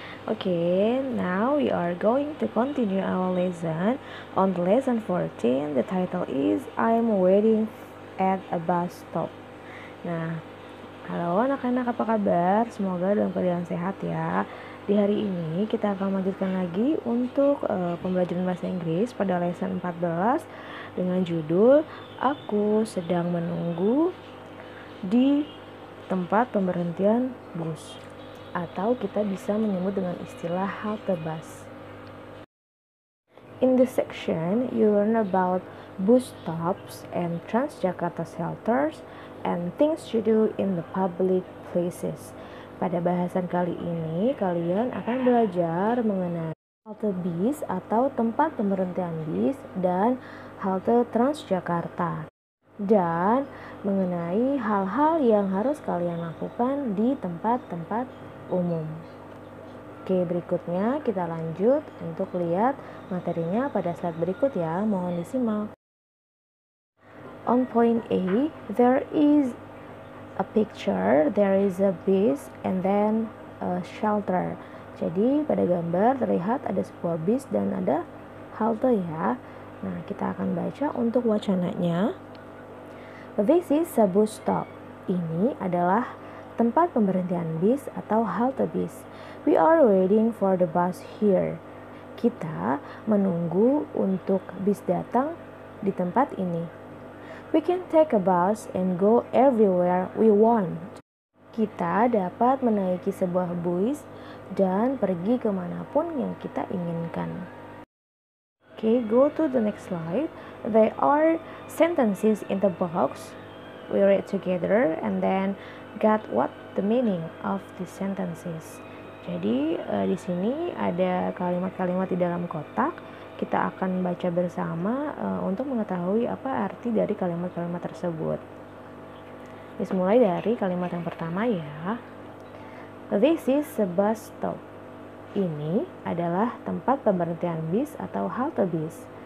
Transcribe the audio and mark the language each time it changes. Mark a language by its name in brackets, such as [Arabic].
[English] Okay, now we are going to continue our lesson. On lesson 14, the title is I'm waiting at a bus stop. [Indonesian] Nah, halo anak-anak, apa kabar? Semoga dalam keadaan sehat ya. Di hari ini kita akan lanjutkan lagi untuk pembelajaran bahasa Inggris pada lesson 14 dengan judul Aku Sedang Menunggu di Tempat Pemberhentian Bus, atau kita bisa menyebut dengan istilah halte bus. [English] In this section, you learn about bus stops and Transjakarta shelters and things to do in the public places. [Indonesian] Pada bahasan kali ini, kalian akan belajar mengenai halte bis atau tempat pemberhentian bis dan halte Transjakarta, dan mengenai hal-hal yang harus kalian lakukan di tempat-tempat umum. Oke, berikutnya kita lanjut untuk lihat materinya pada slide berikut ya. Mohon disimak. [English] On point A, there is a picture, there is a bus, and then a shelter. [Indonesian] Jadi pada gambar terlihat ada sebuah bus dan ada halte ya. Nah, kita akan baca untuk wacananya. This is a bus stop. Ini adalah tempat pemberhentian bis atau halte bis. We are waiting for the bus here. Kita menunggu untuk bis datang di tempat ini. [English] We can take a bus and go everywhere we want. [Indonesian] Kita dapat menaiki sebuah bus dan pergi kemanapun yang kita inginkan. [English] Okay, go to the next slide. There are sentences in the box. We read together and then get what the meaning of the sentences. [Indonesian] Jadi di sini ada kalimat-kalimat di dalam kotak. Kita akan baca bersama untuk mengetahui apa arti dari kalimat-kalimat tersebut. Kita mulai dari kalimat yang pertama ya. This is a bus stop. Ini adalah tempat pemberhentian bis atau halte bis.